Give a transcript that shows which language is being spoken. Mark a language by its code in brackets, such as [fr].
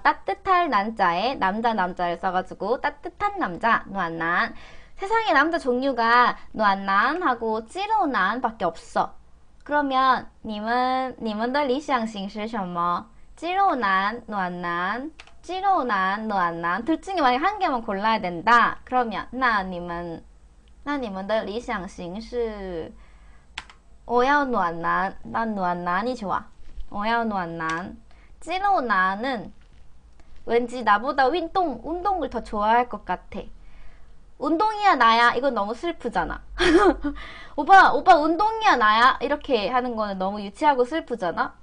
[ko] 따뜻할 난자에 남자 남자를 써가지고 따뜻한 남자 누안난. 세상에 남자 종류가 누안난하고 찌로난밖에 없어. 그러면 [zh] 你们的 理想型是什么? [ko] 찌로난, 누안난, 찌로난, 누안난. 둘 중에 만약 한 개만 골라야 된다. [zh] 그러면 那你们的 理想型是 我要 暖男, [ko] 난 暖男이 좋아. [zh] 我要 暖男. [ko] 찌로우난은 왠지 나보다 운동을 더 좋아할 것 같아. 운동이야 나야? 이건 너무 슬프잖아. 오빠 운동이야 나야? 이렇게 하는 거는 너무 유치하고 슬프잖아.